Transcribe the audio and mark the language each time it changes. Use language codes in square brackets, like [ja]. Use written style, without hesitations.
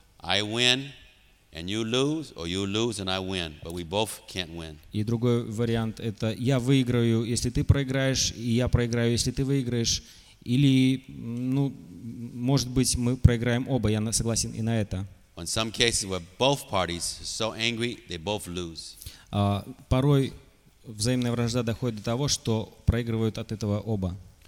[en] I win and you lose, or you lose and I win, but we both can't win. [ru] И другой вариант это я выиграю, если ты проиграешь, и я проиграю, если ты выиграешь, или ну, может быть, мы проиграем оба. Я согласен и на это. [en] In some cases where both parties are so angry, they both lose. [ru] Порой взаимная вражда доходит до того, что проигрывают от этого оба.